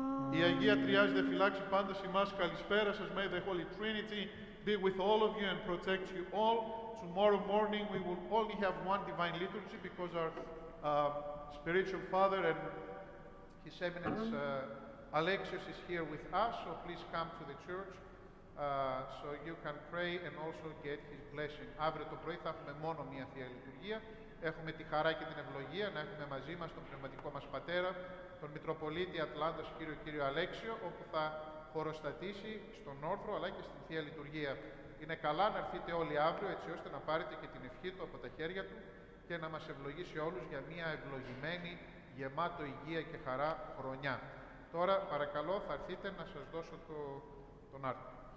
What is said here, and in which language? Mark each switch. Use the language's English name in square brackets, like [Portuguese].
[Greek] Η Αγία Τριάς δε φυλάξει πάντας ημάς. Καλησπέρα σας. [English] May the Holy Trinity be with all of you and protect you all. Tomorrow morning we will only have one divine liturgy because our spiritual father and his eminence Alexios is here with us, so please come to the church so you can pray and also get his blessing. [Greek] Αύριο το πρωί θα έχουμε μόνο μία Θεία Λειτουργία. Έχουμε τη χαρά και την ευλογία να έχουμε μαζί μας τον πνευματικό μας πατέρα, τον Μητροπολίτη Ατλάντας κύριο Αλέξιο, όπου θα χωροστατήσει στον όρθρο αλλά και στην Θεία Λειτουργία. Είναι καλά να έρθετε όλοι αύριο, έτσι ώστε να πάρετε και την ευχή του από τα χέρια του και να μας ευλογήσει όλους για μια ευλογημένη, γεμάτο υγεία και χαρά χρονιά. Τώρα, παρακαλώ, θα έρθετε να σας δώσω τον άρθρο.